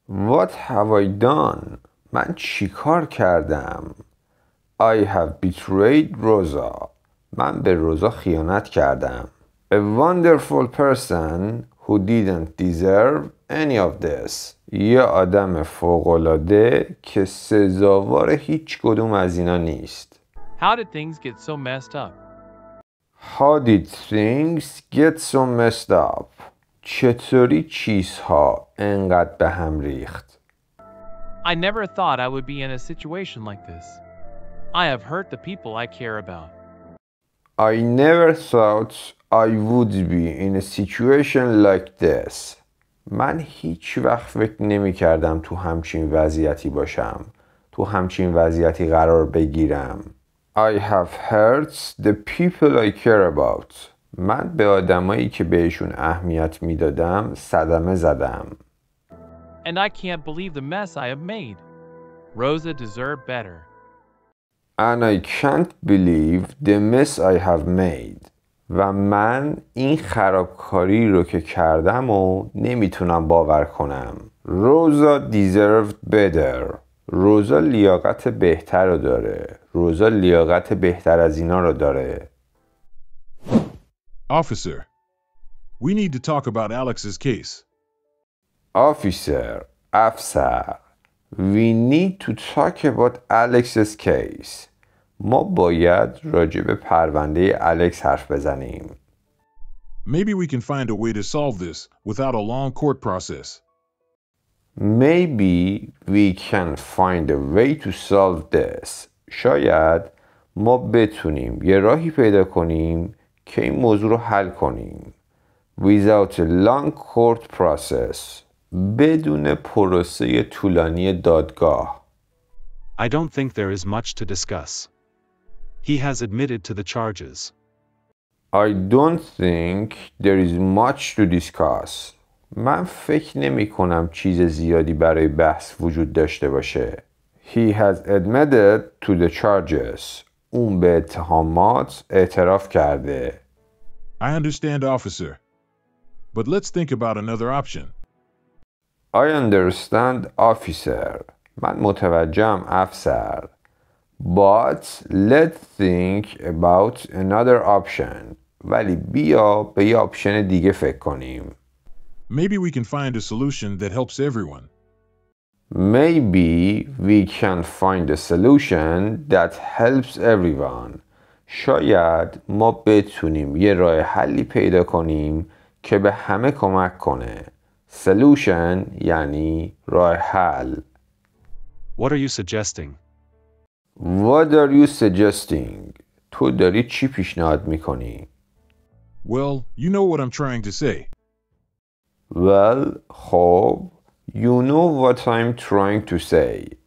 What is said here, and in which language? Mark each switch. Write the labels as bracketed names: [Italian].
[English] What have I done? [Persian] من چی کار کردم؟ [English] I have betrayed Rosa. [Persian] من به روزا خیانت کردم. [English] A wonderful person who didn't deserve any of this. [Persian] یه آدم فوق‌العاده که سزاوار هیچ کدوم از اینا نیست. [English] How did things get so messed up? How did things get so messed up? [Persian] چطوری چیزها انقدر به هم ریخت؟ [English] I never thought I would be in a situation like this. I have hurt the people I care about. I never thought I would be in a situation like this. [Persian] من هیچ وقت فکر نمی کردم تو همچین وضعیتی باشم. تو همچین وضعیتی قرار بگیرم. [English] I have hurt the people I care about. [Persian] من به آدمایی که بهشون اهمیت میدادم صدمه زدم. [English] And I can't believe the mess I have made. Rosa deserved better. And I can't believe the mess I have made. [Persian] و من این خرابکاری رو که کردم و نمیتونم باور کنم. [English] Rosa deserved better. [Persian] روزا لیاقت بهتر رو داره. روزا لیاقت بهتر از اینا رو داره. [English] Officer, we need to talk about Alex's case. Officer, افسر. We need to talk about Alex's case. [Persian] ما باید راجع به پرونده الکس حرف بزنیم. [English] Maybe we can find a way to solve this without a long court process. Maybe we can find a way to solve this. [Persian] شاید ما بتونیم یه راهی پیدا کنیم که این موضوع رو حل کنیم. [English] Without a long court process. [Persian] بدون پروسه طولانی دادگاه. [English] I don't think there is much to discuss. He has admitted to the charges. I don't think there is much to discuss. [Persian] من فکر نمی کنم چیز زیادی برای بحث وجود داشته باشه. [English] He has admitted to the charges. [Persian] اون به اتهامات اعتراف کرده. [English] I understand, officer. But let's think about another option. I understand, officer. [Persian] من متوجهم, افسر. [English] But let's think about another option. [Persian] ولی بیا به یه آپشن دیگه فکر کنیم. [English] Maybe we can find a solution that helps everyone. Maybe we can find a solution that helps everyone. [Persian] شاید ما بتونیم یه راه حلی پیدا کنیم که به همه کمک کنه. Solution یعنی راه حل. [English] What are you suggesting? What are you suggesting? [Persian] تو داری چی پیشنهاد میکنی؟ [English] Well, you know what I'm trying to say. Well, خب, you know what I'm trying to say.